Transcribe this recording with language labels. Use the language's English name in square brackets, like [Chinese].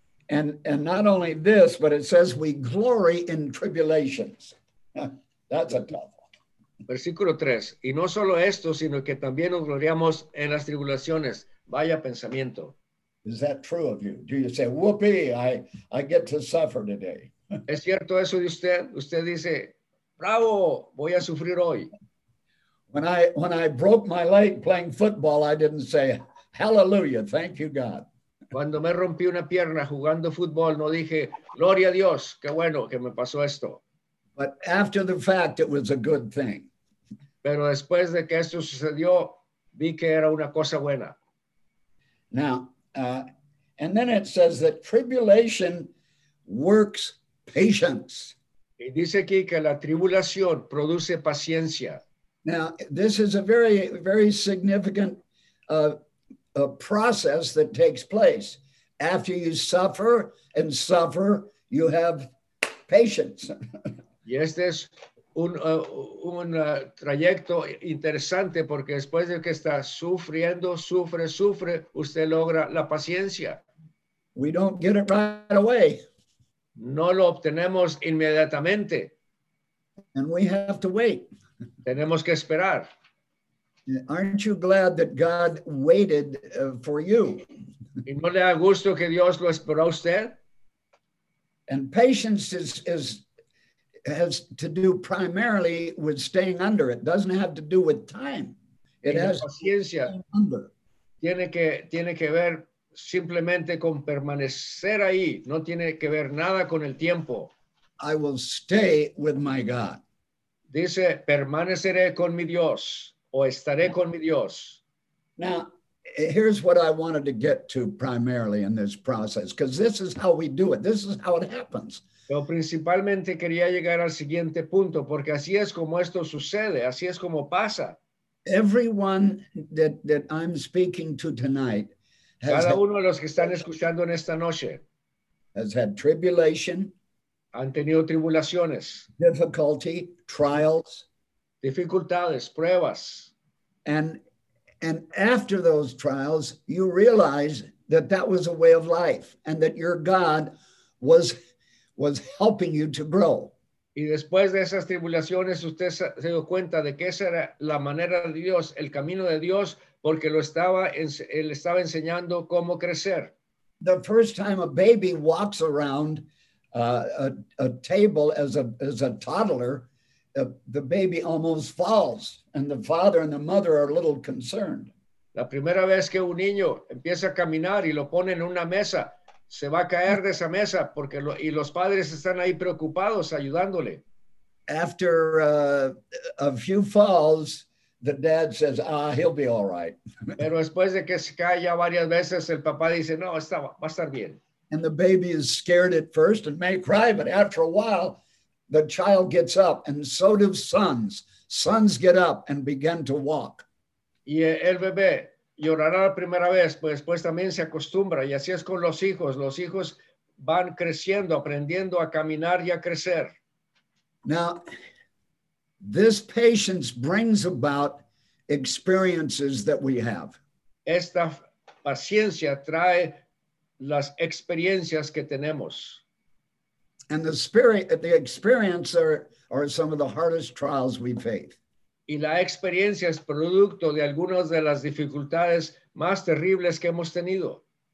[English] And not only this, but it says we glory in tribulations. That's a tough one. [Spanish] Versículo tres. Y no solo esto, sino que también nos gloriamos en las tribulaciones. Vaya pensamiento. [English] Is that true of you? Do you say, whoopee, I get to suffer today? [Spanish] ¿Es cierto eso de usted? Usted dice, bravo, voy a sufrir hoy. [English] When I broke my leg playing football, I didn't say, hallelujah, thank you, God. [Spanish] Cuando me rompí una pierna jugando fútbol, no dije, gloria a Dios, qué bueno que me pasó esto. [English] But after the fact, it was a good thing. [Spanish] Pero después de que esto sucedió, vi que era una cosa buena. [English] Now, and then it says that tribulation works patience. [Spanish] Y dice aquí que la tribulación produce paciencia. [English] Now, this is a very, very significant a process that takes place. After you suffer and suffer, you have patience. [Spanish] Y este es un trayecto interesante porque después de que está sufriendo, sufre, usted logra la paciencia. [English] We don't get it right away. [Spanish] No lo obtenemos inmediatamente. [English] And we have to wait. [Spanish] Tenemos que esperar. [English] Aren't you glad that God waited for you? [Spanish] ¿Y no le da gusto que Dios lo esperó a usted? [English] And patience has to do primarily with staying under. It doesn't have to do with time. It has [Spanish] paciencia. Tiene que ver simplemente con permanecer ahí. No tiene que ver nada con el tiempo. [English] I will stay with my God. [Spanish] Dice, permaneceré con mi Dios o estaré con mi Dios. [English] Now, here's what I wanted to get to primarily in this process, because this is how we do it. This is how it happens. [Spanish] Pero principalmente quería llegar al siguiente punto, porque así es como esto sucede, así es como pasa. [English] Everyone that I'm speaking to tonight has [Spanish] cada uno de los que están escuchando en esta noche [English] has had tribulation, [Spanish] han tenido tribulaciones, [English] difficulty, trials, [Spanish] dificultades, pruebas. [English] And after those trials, you realize that that was a way of life and that your God was helping you to grow. [Spanish] Y después de esas tribulaciones, usted se dio cuenta de que esa era la manera de Dios, el camino de Dios, porque él estaba enseñando cómo crecer. [English] The first time a baby walks around a table as a toddler, the baby almost falls, and the father and the mother are a little concerned. [Spanish] La primera vez que un niño empieza a caminar y lo pone en una mesa, se va a caer de esa mesa porque y los padres están ahí preocupados ayudándole. [English] After a few falls, the dad says, he'll be all right. [Spanish] Pero después de que se cae ya varias veces, el papá dice, no, va a estar bien. [English] And the baby is scared at first and may cry, but after a while, the child gets up, and so do sons. Sons get up and begin to walk. [Spanish] Y el bebé llorará la primera vez, pero después también se acostumbra. Y así es con los hijos. Los hijos van creciendo, aprendiendo a caminar y a crecer. [English] Now, this patience brings about experiences that we have. [Spanish] Esta paciencia trae las experiencias que tenemos. [English] And the spirit, the experience are some of the hardest trials we face. [Spanish] Y la experiencia es producto de algunas de las dificultades más terribles que hemos tenido.